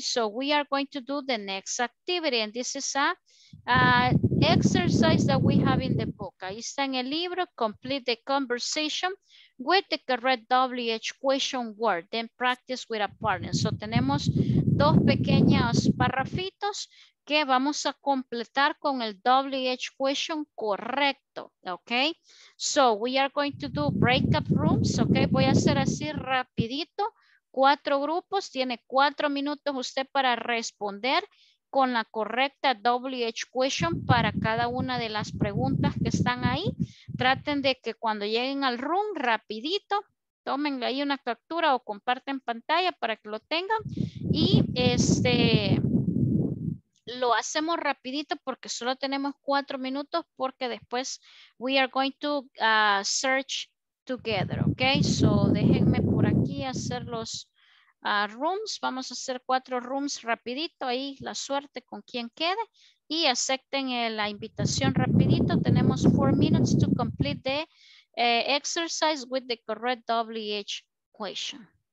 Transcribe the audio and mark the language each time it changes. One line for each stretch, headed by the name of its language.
English: So, we are going to do the next activity, and this is a... exercise that we have in the book.
Spanish: Ahí está en el libro.
English: Complete the conversation with the correct WH question word. Then practice with a partner.
Spanish: So tenemos dos pequeños parrafitos que vamos a completar con el WH question correcto.
English: Ok. So we are going to do breakout rooms. Ok.
Spanish: Voy a hacer así rapidito. Cuatro grupos. Tiene cuatro minutos usted para responder con la correcta WH question para cada una de las preguntas que están ahí. Traten de que cuando lleguen al room, rapidito, tomen ahí una captura o comparten pantalla para que lo tengan. Y este, lo hacemos rapidito porque solo tenemos cuatro minutos, porque después
English: we are going to search together,
Spanish: ¿ok? So déjenme por aquí hacer los... rooms, vamos a hacer cuatro rooms rapidito, ahí la suerte con quien quede, y acepten la invitación rapidito. Tenemos
English: 4 minutes to complete the exercise with the correct WH question.